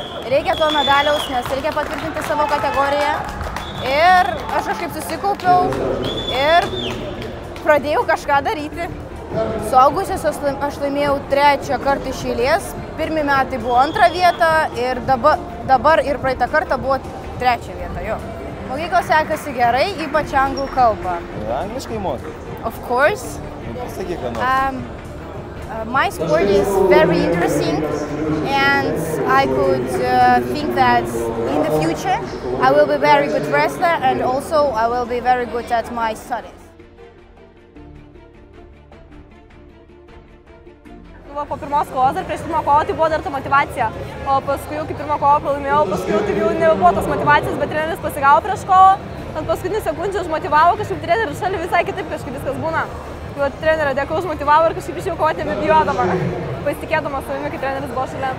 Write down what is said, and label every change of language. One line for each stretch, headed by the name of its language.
Lithuanian: Reikia to medaliaus, nes reikia patvirtinti savo kategoriją. Ir aš kažkaip susikaupiau ir pradėjau kažką daryti. Suaugusios aš laimėjau trečią kartą iš eilės. Pirmi metai buvo antrą vietą ir dabar ir praeitą kartą buvo trečią vietą, jo. Mokyklos sekasi gerai, ypač anglų kalbą. Angliškai moki?
English: Of course.
Lithuanian: Pasakyk, ką nors.
English: My sport is very interesting and I could think that in the future I will be very good wrestler and also I will be very good at my studies.
Lithuanian: Po pirmos kovos, dar prieš pirmą kovą, tai buvo dar ta motyvacija. O paskui jau, kai pirmą kovą pralaimėjau, paskui jau, tai jau nebuvo tos motyvacijos, bet treneris pasigavo prieš kovą. Ant paskutinių sekundžių aš motyvavau, kažkaip treneris šalia visai kitaip kažkaip viskas būna. tokio trenerio, dėka užmotivavo ir kažkaip išėjau kovoti nebijodama. Pasitikėdama savimi, kai treneris buvo šalia.